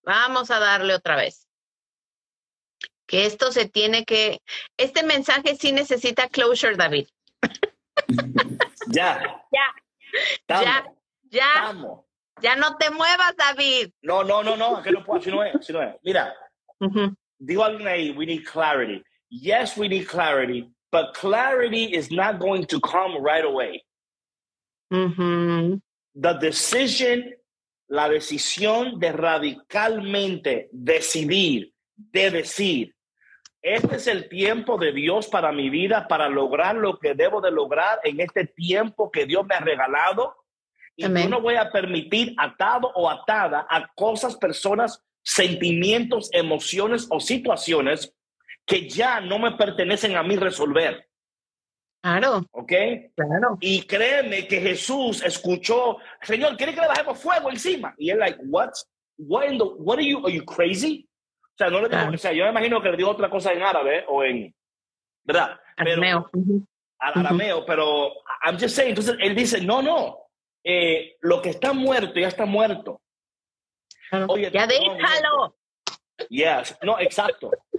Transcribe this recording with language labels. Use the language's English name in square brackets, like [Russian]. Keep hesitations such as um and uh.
[Spanish] Vamos a darle otra vez. Que esto se tiene que, este mensaje sí necesita closure, David. ya. Ya. Tamo. Ya. Ya. Tamo. Ya no te muevas, David. No, no, no, no, que no puedo, así no es, así no es. Mira, uh -huh. digo alguien ahí, [English] we need clarity. Yes, we need clarity, but clarity is not going to come right away. Uh -huh. The decision, [Spanish] la decisión de radicalmente decidir, de decir, este es el tiempo de Dios para mi vida, para lograr lo que debo de lograr en este tiempo que Dios me ha regalado. Y Amén. yo no voy a permitir atado o atada a cosas, personas, sentimientos, emociones o situaciones que ya no me pertenecen a mí resolver. Claro. ¿Ok? Claro. Y créeme que Jesús escuchó, Señor, ¿quiere que le bajemos fuego encima? Y él, [English] like, what? What, in the, what are you, are you crazy? [Spanish] O sea, no le digo, claro. o sea, yo me imagino que le digo otra cosa en árabe o en, ¿verdad? Pero, arameo. Arameo, uh -huh. pero [English] I'm just saying, [Spanish] entonces él dice, no, no, eh, lo que está muerto ya está muerto. Oye, ya déjalo. Yes, no, exacto.